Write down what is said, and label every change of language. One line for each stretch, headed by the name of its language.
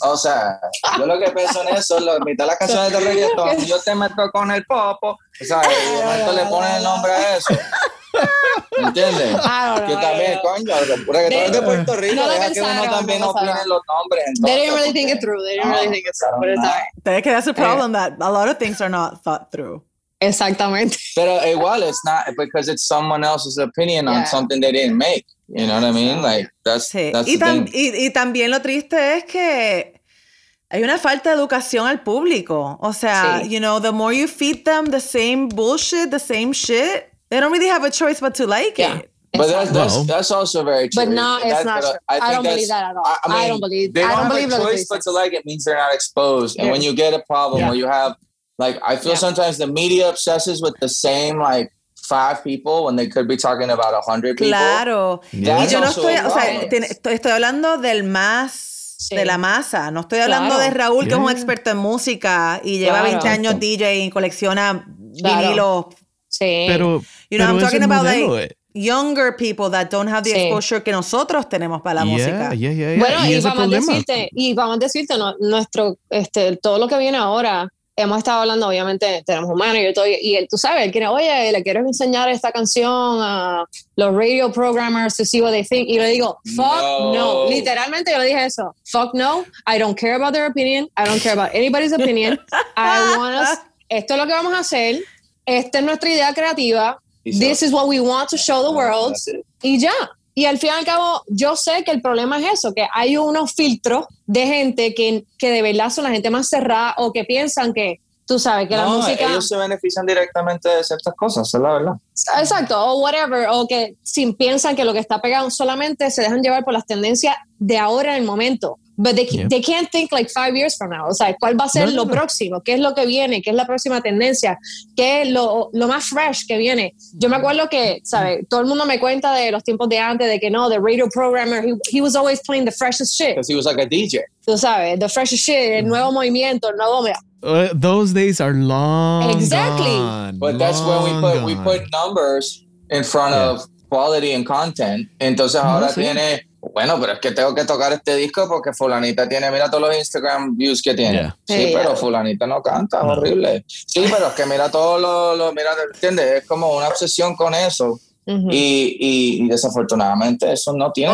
Spanish: O sea, yo lo que pienso en eso es mitad las canciones de reggaetón, yo te meto con el popo, o sea, y de momento le ponen el nombre a eso. ¿Me entiendes? Que también, coño, pura que todo es de Puerto Rico, deja que uno también opine los nombres.
English: They didn't really think it through. They didn't really think it through. But it's okay. That's a problem that a lot of things are not thought through.
Spanish: Exactamente. Pero igual,
English: it's not because it's someone else's opinion on something they didn't make. You know what I mean? Like, that's the thing.
Spanish: Y también lo triste es que hay una falta de educación al público. O sea,
English: you know, the more you feed them the same bullshit, the same shit, they don't really have a choice but to like it. But that's also very true. But no, it's not true. I don't believe that at all. I mean, I don't believe that. They don't have a choice but to like it means they're not exposed. And when you get a problem or you have... Like, I feel sometimes the media obsesses with the same, like, five people when they could be talking about 100 people.
Spanish: Claro.
English: Yeah.
Spanish: Y yo no estoy, o sea, estoy hablando del más, de la masa. No estoy hablando de Raúl, que es un experto en música y lleva 20 años DJ y colecciona vinilos. Sí. Pero,
English: you know,
Spanish: pero
English: I'm talking about modelo, like, younger people that don't have the exposure
Spanish: que nosotros tenemos para la música. Bueno, y vamos a decirte, no, nuestro, este, todo lo que viene ahora... Hemos estado hablando, obviamente, tenemos un manager y él, tú sabes, él quiere, oye, le quiero enseñar esta canción a los
English: radio programmers to see what they think.
Spanish: Y yo le digo,
English: fuck no. No.
Spanish: Literalmente yo le dije eso.
English: Fuck no. I don't care about their opinion. I don't care about anybody's opinion. I want us,
Spanish: esto es lo que vamos a hacer. Esta es nuestra idea creativa.
English: This is what we want to show the world.
Spanish: Y ya. Y al fin y al cabo, yo sé que el problema es eso, que hay unos filtros de gente que de verdad son la gente más cerrada o que piensan que, tú sabes, que no, la música... ellos se benefician directamente de ciertas cosas, es la verdad. Exacto, o whatever, o que si piensan que lo que está pegado solamente se dejan llevar por las tendencias de ahora en el momento.
English: But they can't think like 5 years from now.
Spanish: O sea, ¿cuál va a ser lo próximo? ¿Qué es lo que viene? ¿Qué es la próxima tendencia? ¿Qué es lo más fresh que viene? Yo me acuerdo que, ¿sabes? Todo el mundo me cuenta de los tiempos de antes, de que no,
English: the radio programmer, he was always playing the freshest shit. Because he was like a DJ.
Spanish: Tú sabes,
English: the freshest shit,
Spanish: el nuevo movimiento, el nuevo...
English: Those days are long exactly. Gone. But that's when we put numbers in front of quality and content.
Spanish: Entonces ahora tiene... Bueno, pero es que tengo que tocar este disco porque fulanita tiene, mira todos los Instagram views que tiene.
English: Yeah.
Spanish: Sí, pero fulanita no canta, es horrible. Sí, pero es que mira todos los, mira, ¿entiendes? Es como una obsesión con eso. Uh-huh. Y desafortunadamente eso no tiene.